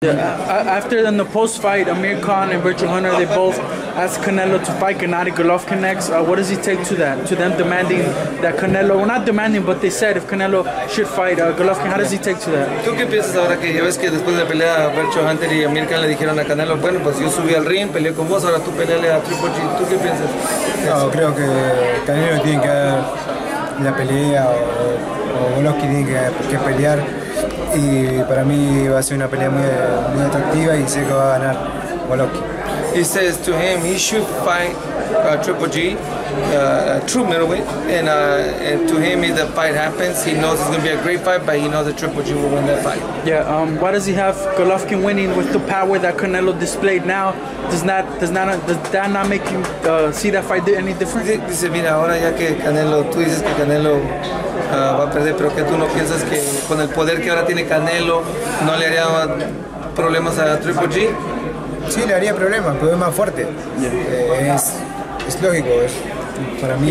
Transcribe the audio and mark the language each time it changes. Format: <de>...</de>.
<en>After the post-fight, Amir Khan and Virgil Hunter, they both asked Canelo to fight Gennady Golovkin next. What does he take to that? To them demanding that Canelo, well, not demanding, but they said if Canelo should fight Golovkin, how does he take to that?</en> <es>¿Tú qué piensas ahora que ya ves que después de la pelea Virgil Hunter y Amir Khan le dijeron a Canelo, bueno, pues yo subí al ring, peleé con vos, ahora tú peleale a Triple G? ¿Tú qué piensas? No, creo que Canelo tiene que dar la pelea o Golovkin tiene que pelear. Y para mí va a ser una pelea muy atractiva y sé que va a ganar Golovkin.</es> <en>He says to him he should fight Triple G, true middleweight, and to him if the fight happens, he knows it's going to be a great fight, but he knows that Triple G will win that fight. Yeah, why does he have Golovkin winning with the power that Canelo displayed now? Does that not make you see that fight any different?</en> <es>Dice, mira, ahora ya que Canelo, tú dices que Canelo va a perder, pero que tú no piensas que con el poder que ahora tiene Canelo no le haría problemas a Triple G? Sí, le haría problema, pero es más fuerte.</es> <en>Yeah.</en> <es>Es lógico, es, para mí.</es>